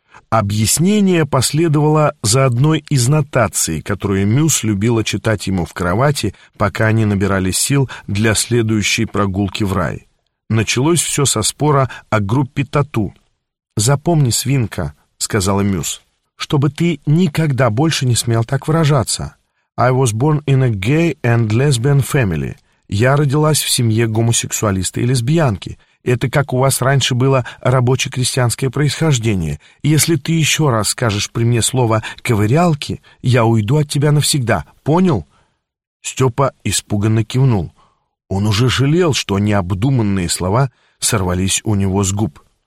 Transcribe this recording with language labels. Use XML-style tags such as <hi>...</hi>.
<ru>Объяснение последовало за одной из нотаций, которую Мюс любила читать ему в кровати, пока они набирали сил для следующей прогулки в рай. Началось все со спора о группе тату. «Запомни, свинка», — сказала Мюс, — «чтобы ты никогда больше не смел так выражаться.</ru> <en>I was born in a gay and lesbian family.</en> <ru>Я родилась в семье гомосексуалиста и лесбиянки». Это как у вас раньше было рабоче-крестьянское происхождение. Если ты еще раз скажешь при мне слово «ковырялки», я уйду от тебя навсегда. Понял?» Степа испуганно кивнул. Он уже жалел, что необдуманные слова сорвались у него с губ.</ru>